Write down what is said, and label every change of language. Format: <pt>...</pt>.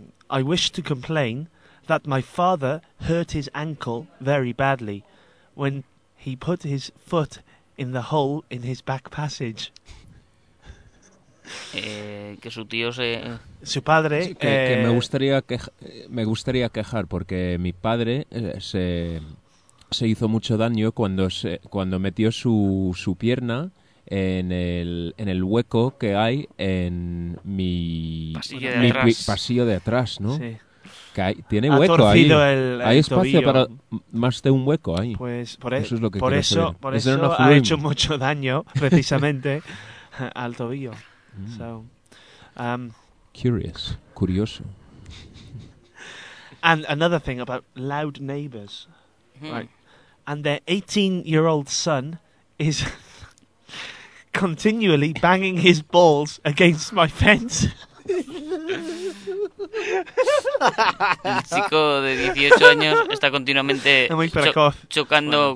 <en>I wish to complain that my father hurt his ankle very badly when he put his foot in the hole in his back passage.</en> <es>Que su tío se... Su padre... Sí, que me gustaría quejar porque mi padre se hizo mucho daño cuando metió su pierna en el hueco que hay en mi pasillo de atrás, ¿no? Sí. Tiene hueco ahí. Hay espacio tobillo. Para más de un hueco ahí. Pues eso es lo que por eso ha hecho mucho daño precisamente al tobillo.</es> <en>So,</en> <es>curioso.</es> <en>And another thing about loud neighbors. Right. And their 18-year-old son is continually banging his balls against my fence.</en> <es>El chico de 18 años está continuamente chocando bueno.</es>